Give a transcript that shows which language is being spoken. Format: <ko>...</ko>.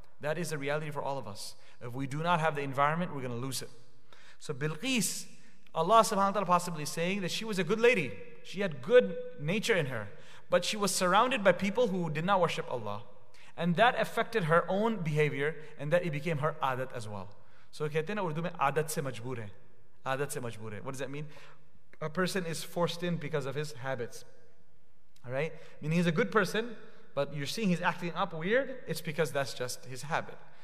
<en>That is the reality for all of us. If we do not have the environment, we're going to lose it. So Bilqis, Allah subhanahu wa ta'ala possibly saying that she was a good lady. She had good nature in her. But she was surrounded by people who did not worship Allah. And that affected her own behavior, and that it became her adat as well.</en> <ur>So کہتے نا Urdu میں عادت سے مجبور ہے. عادت سے مجبور ہے.</ur> <en>What does that mean? A person is forced in because of his habits. Alright? I mean, he's a good person, but you're seeing he's acting up weird, it's because that's just his habit.</en>